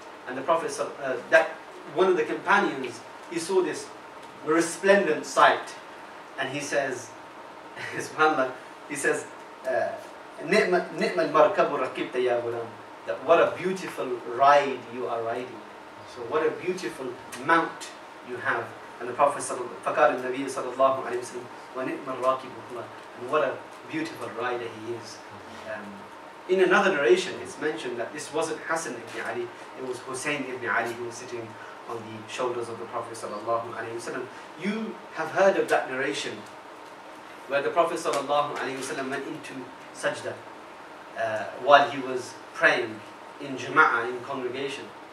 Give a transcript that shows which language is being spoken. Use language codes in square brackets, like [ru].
[en] And the Prophet, that one of the companions, he saw this resplendent sight. And he says, SubhanAllah, he says, [ar] نِعْمَ الْمَرْكَبُ رَكِبْتَ يَا غُلَامُ. [en] That what a beautiful ride you are riding. So what a beautiful mount you have. And the Prophet [ar] فَقَالَ النَّبِيُّ صَلَى اللَّهُ عَلَيْهِ وَسَلَمُ وَنِعْمَ الْرَاكِبُ اللَّهُ. [en] And what a beautiful rider he is. In another narration, it's mentioned that this wasn't Hassan ibn Ali, it was Hussein ibn Ali who was sitting on the shoulders of the Prophet sallallahu alayhi wa sallam. You have heard of that narration where the Prophet sallallahu alayhi wa sallam went into sajda while he was praying in jama'ah, in congregation.